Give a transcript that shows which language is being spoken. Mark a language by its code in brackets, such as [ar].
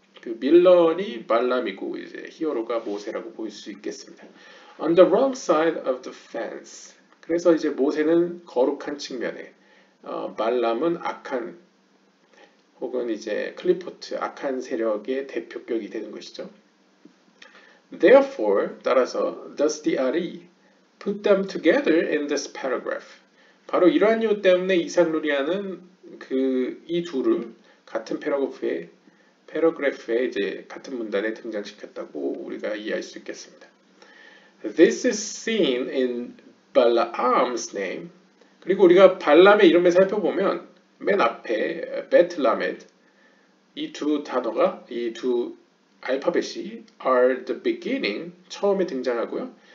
[ko] 그 빌런이 발람이고 이제 히어로가 모세라고 볼 수 있겠습니다. [en] On the wrong side of the fence. [ko] 그래서 이제 모세는 거룩한 측면에 발람은 악한 혹은 이제 클리포트 악한 세력의 대표격이 되는 것이죠. [en] Therefore, [ko] 따라서 [en] does the RE put them together in this paragraph? [ko] 바로 이러한 이유 때문에 이상루리아는 그 이 둘을 같은 패러그래프에 이제 같은 문단에 등장시켰다고 우리가 이해할 수 있겠습니다. [en] This is seen in Balaam's name. [ko] 그리고 우리가 발람의 이름을 살펴보면 맨 앞에 Bet-Lamed 이 두 단어가 이 두 알파벳이 [en] are the beginning [ko] 처음에 등장하고요.